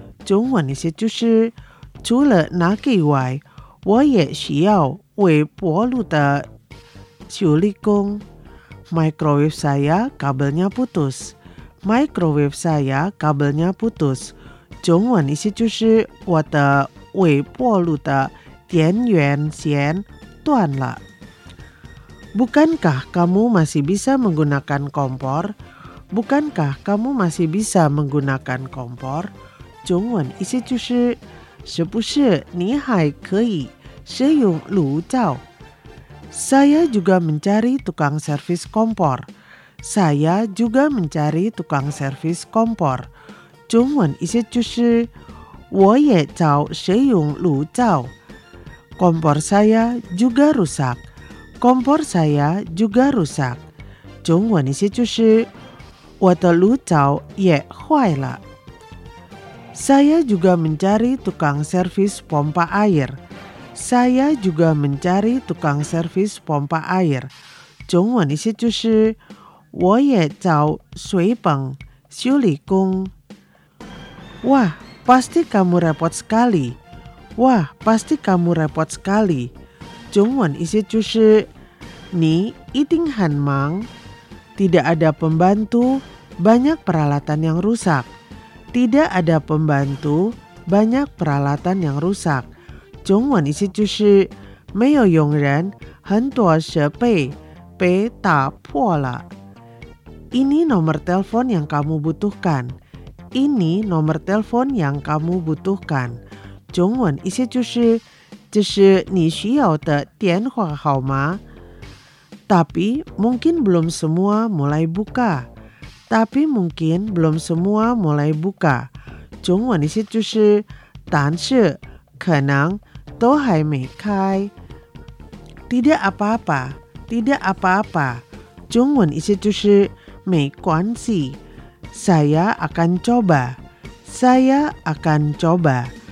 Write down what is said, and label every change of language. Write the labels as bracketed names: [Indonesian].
[Chinese] 中文意思就是除了那个以外，我也需要微波炉的修理工。 [Indonesian] Microwave saya kabelnya putus. Microwave saya kabelnya putus. [Chinese] 中文意思就是我的微波炉的电源线断了。 [Indonesian] Bukankah kamu masih bisa menggunakan kompor? Bukankah kamu masih bisa menggunakan kompor? [Chinese] 中文意思就是，是不是你还可以使用炉灶？ [Indonesian] Saya juga mencari tukang servis kompor. Saya juga mencari tukang servis kompor. [Chinese] 中文意思就是，我也找使用炉灶。 [Indonesian] Kompor saya juga rusak. Kompor saya juga rusak. [Chinese] 中文意思就是我的炉灶也坏了。 [Indonesian] Saya juga mencari tukang servis pompa air. Saya juga mencari tukang servis pompa air. [Chinese] 中文意思就是我也找水泵修理工。 [Indonesian] Wah, pasti kamu repot sekali. Wah, pasti kamu repot sekali. [Chinese] 中文意思就是你一定很忙。 [Indonesian] Tidak ada pembantu, banyak peralatan yang rusak. Tidak ada pembantu, banyak peralatan yang rusak. [Chinese] 中文意思就是没有佣人，很多设备被打破了。 [Indonesian] Ini nomor telepon yang kamu butuhkan. Ini nomor telepon yang kamu butuhkan. [Chinese] 中文意思就是这是你需要的电话号码。 [Indonesian] Tapi mungkin belum semua mulai buka. Tapi mungkin belum semua mulai buka. [Chinese] 中文意思就是，但是可能都还没开。 [Indonesian] Tidak apa-apa, tidak apa-apa. [Chinese] 中文意思就是没关系。 [Indonesian] Saya akan coba, saya akan coba.